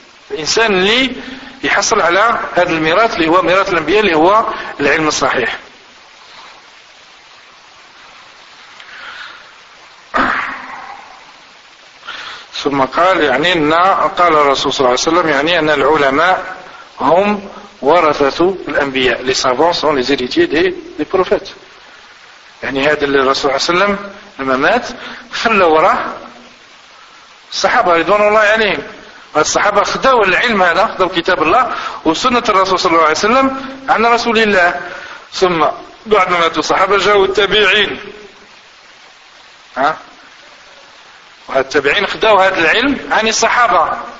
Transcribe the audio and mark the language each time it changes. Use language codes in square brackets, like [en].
[ar] الإنسان اللي يحصل على هذا الميراث اللي هو ميراث الأنبياء اللي هو العلم الصحيح. ثم قال يعني أن قال الرسول صلى الله عليه وسلم يعني أن العلماء هم ورثة الأنبياء. [fr] Les savants sont les héritiers des prophètes. [ar] يعني هذا اللي الرسول صلى الله عليه وسلم لما مات خلى وراه الصحابة رضوان الله عليهم. الصحابة خذوا العلم هذا خذوا كتاب الله وسنة الرسول صلى الله عليه وسلم عن رسول الله. ثم بعد ما ماتوا الصحابة جاءوا التابعين. ها؟ والتابعين خذوا هذا العلم عن الصحابة.